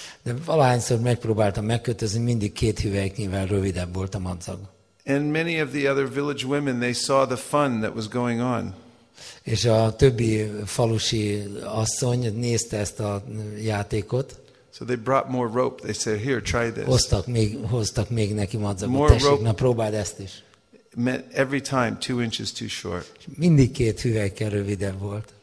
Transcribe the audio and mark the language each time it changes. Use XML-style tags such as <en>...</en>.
<hu>De valahányszor megpróbálta megkötözni, mindig két hüvelyknyivel rövidebb volt a madzag.</hu> <en>And many of the other village women, they saw the fun that was going on.</en> <hu>És a többi falusi asszony nézte ezt a játékot.</hu> <en>So they brought more rope. They said, "Here, try this."</en> <hu>Hoztak még neki madzagot.</hu> <en>More rope.</en> <hu>Na, próbáld ezt is.</hu> <en>Every time, 2 inches too short.</en> <hu>Mindig két hüvelyke rövidebb volt.</hu>